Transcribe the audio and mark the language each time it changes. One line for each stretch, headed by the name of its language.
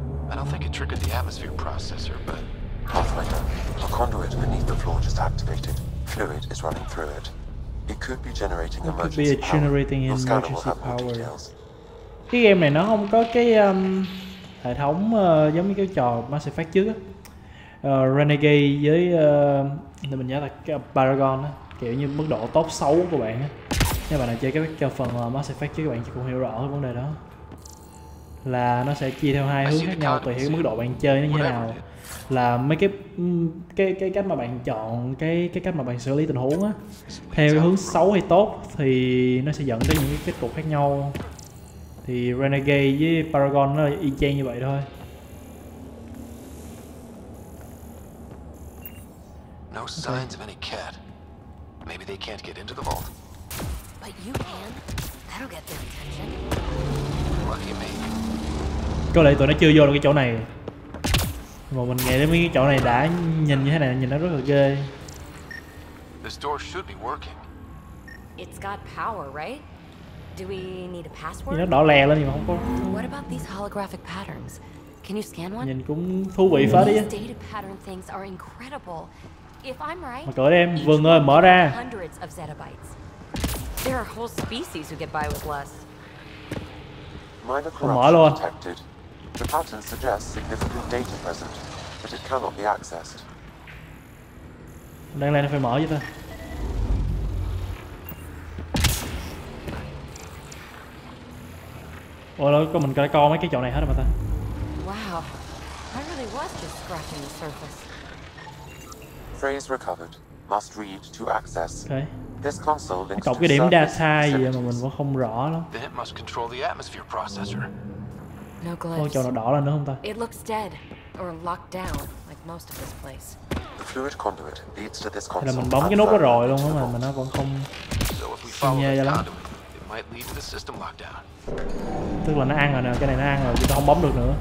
English: I don't think it triggered the atmosphere processor, but... Pathfinder, a conduit beneath the floor just activated. Fluid is running through it. It could be generating emergency power.
Vietnamese: Cái game này nó không có cái hệ thống giống như cái trò Mass Effect trước á. Renegade với... mình nhớ là Paragon á. Kiểu như mức độ top 6 của bạn á. Nếu bạn nào chơi cái phần Mass Effect trước, các bạn cũng hiểu rõ cái vấn đề đó. Là nó sẽ chia theo hai hướng khác nhau tùy theo mức độ bạn chơi nó như thế nào. Là mấy cái cách mà bạn chọn cái cách mà bạn xử lý tình huống á, theo hướng xấu hay tốt thì nó sẽ dẫn tới những cái kết cục khác nhau. Thì Renegade với Paragon nó y chang như vậy thôi.
English: No signs of any cat. Maybe they can't get into the vault. But you can. That'll get their attention. Lucky me.
Vietnamese: Có lẽ tụi nó chưa vô được cái chỗ này. Mà mình nghe đến mấy cái chỗ này đã nhìn như thế này, nhìn nó rất là ghê.
English: This door should be working. It's got power, right? Do we need a password?
Vietnamese: Nó đỏ lè lên nhưng mà không có.
English: What about these holographic patterns? Can you scan one?
Vietnamese: Nhìn cũng thú vị phết đấy.
English: These data pattern things are incredible. If I'm right.
Vietnamese: Mở cửa đi em, Vương ơi, mở ra.
English: Hundreds of zettabytes. There are whole species who get by with less.
Vietnamese: Mở luôn.
English: The pattern suggests significant data present, but it cannot be accessed.
Vietnamese: Đang lên phải mở vậy ta. Ôi lỗi, có mình cái con mấy cái chỗ này hết rồi mà ta.
English: Wow, I really was just scratching the surface. Phrase recovered. Must read to access. Okay. This console links
Vietnamese: cái điểm data gì mà mình cũng không rõ lắm.
English: Then it must control the atmosphere processor. No glyphs.
Vietnamese: Ôi, chỗ nào đỏ lên nữa không ta?
English: It looks dead or locked down like most of this place. The fluid conduit leads to this console.
Vietnamese: Là mình bấm cái nút đó rồi luôn á mà nó vẫn không.
English: So if we follow the conduit, it might lead to the system lockdown.
Vietnamese: Tức là nó ăn rồi nè, cái này nó ăn rồi, chúng ta không bấm được nữa.